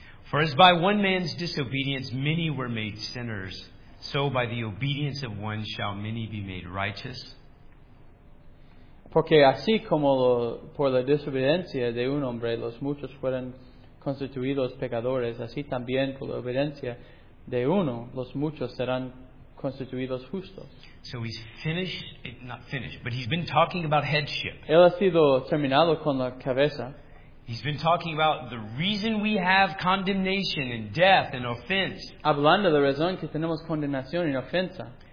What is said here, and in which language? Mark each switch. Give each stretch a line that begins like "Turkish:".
English: For as by one man's disobedience many were made sinners, so by the obedience of one shall many be made righteous.
Spanish: Porque así como por la desobediencia de un hombre los muchos fueron constituidos pecadores, así también por la obediencia de uno los muchos serán constituidos justos.
English: So he's finished, not finished, but he's been talking about headship.
Spanish: Él ha sido terminado con la cabeza.
English: He's been talking about the reason we have condemnation and death and offense.
Spanish: Hablando de la razón que tenemos condenación y ofensa.